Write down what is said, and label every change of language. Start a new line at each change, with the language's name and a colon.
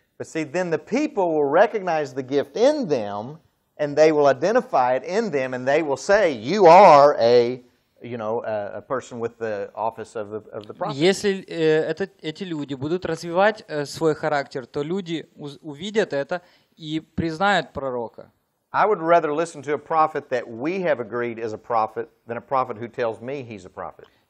English: But see, then the people will recognize the gift in them, and they will identify it in them, and they will say, "You are a, you know, a person with the office of the prophet."
Russian: Если эти люди будут развивать свой характер, то люди увидят это и признают пророка.
English: I would rather listen to a prophet that we have agreed is a prophet than a prophet who tells me he's a prophet.